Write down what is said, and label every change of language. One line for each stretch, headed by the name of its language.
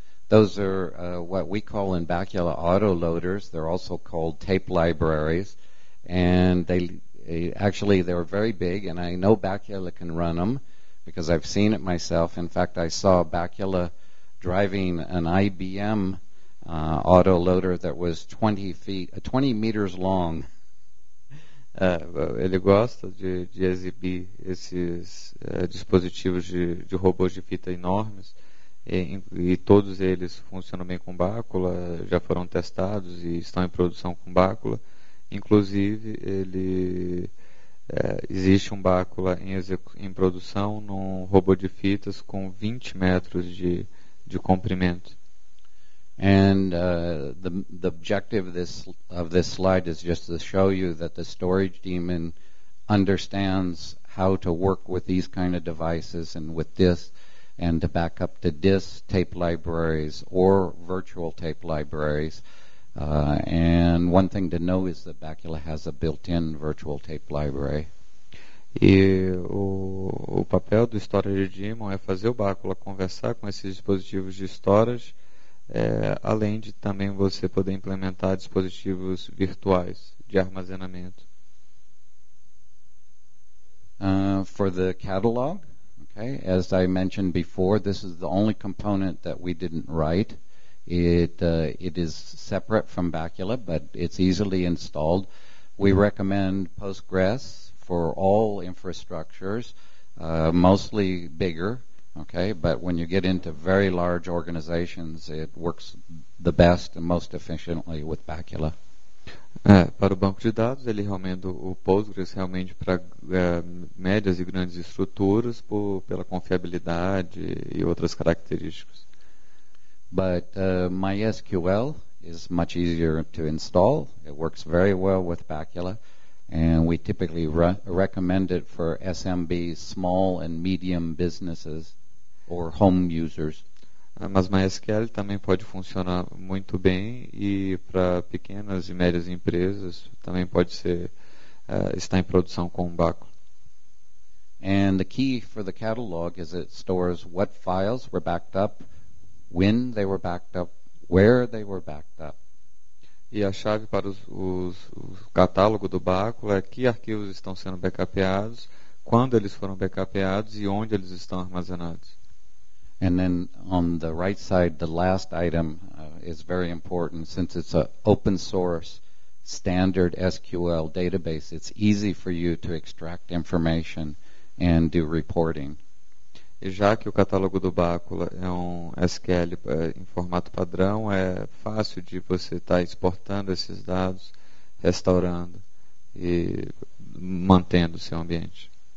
English: Those are what we call in Bacula autoloaders. They're also called tape libraries, and they're very big, and I know Bacula can run them because I've seen it myself. In fact, I saw Bacula driving an IBM autoloader that was 20 meters long.
Portuguese: Ele gosta de exibir esses dispositivos de robôs de fita enormes, e todos eles funcionam bem com Bacula, já foram testados e estão em produção com Bacula. Inclusive, existe um Bacula em produção num robô de fitas com 20 metros de comprimento.
English: And the objective of this slide is just to show you that the storage daemon understands how to work with these kind of devices and with this, and to back up to disk tape libraries or virtual tape libraries. And one thing to know is that Bacula has a built-in virtual tape library.
Portuguese: E o papel do storage daemon é fazer o Bacula conversar com esses dispositivos de storage. Além de também você poder implementar dispositivos virtuais de armazenamento.
English: For the catalog, okay, as I mentioned before, this is the only component that we didn't write. It is separate from Bacula, but it's easily installed. We recommend Postgres for all infrastructures, mostly bigger. Okay, but when you get into very large organizations, it works the best and most efficiently with Bacula.
Portuguese: Para o banco de dados, ele recomenda o Postgres realmente para médias e grandes estruturas pela confiabilidade e outras características.
English: But MySQL is much easier to install. It works very well with Bacula. And we typically recommend it for SMB, small and medium businesses, or home users.
Portuguese: Mas MySQL também pode funcionar muito bem, e para pequenas e médias empresas também pode ser estar em produção com o Bacula.
English: And the key for the catalog is it stores what files were backed up, when they were backed up, where they were backed up.
Portuguese: E a chave para os catálogo do Bacula é que arquivos estão sendo backupados, quando eles foram backupados e onde eles estão armazenados.
English: And then on the right side, the last item is very important. Since it's an open source standard SQL database, it's easy for you to extract information and do reporting.
Portuguese: E já que o catálogo do Bacula é um SQL em formato padrão, é fácil de você estar exportando esses dados, restaurando e mantendo o seu ambiente.